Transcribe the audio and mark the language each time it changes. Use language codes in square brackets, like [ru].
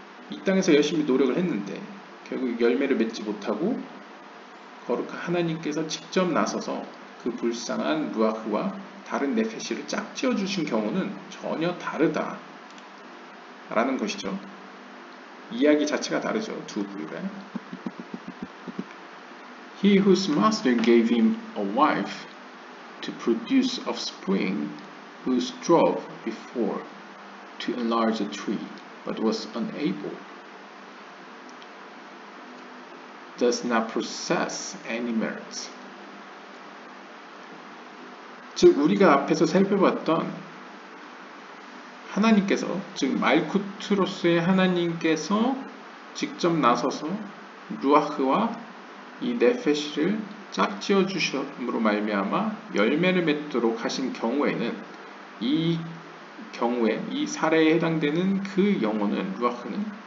[ko] 이 땅에서 열심히 노력을 했는데 결국 열매를 맺지 못하고 거룩한 하나님께서 직접 나서서 그 불쌍한 루아크와 다른 네페시를 짝지어 주신 경우는 전혀 다르다 라는 것이죠. 이야기 자체가 다르죠. 두 부류가. [en] He whose master gave him a wife to produce offspring, who strove before to enlarge a tree, but was unable, does not possess any merits. [ko] 즉 우리가 앞에서 살펴봤던 하나님께서, 즉 말쿠트로스의 하나님께서 직접 나서서 루아흐와 이 네페시를 짝지어 주심으로 말미암아 열매를 맺도록 하신 경우에는 이 경우에 이 사례에 해당되는 그 영혼은 루아흐는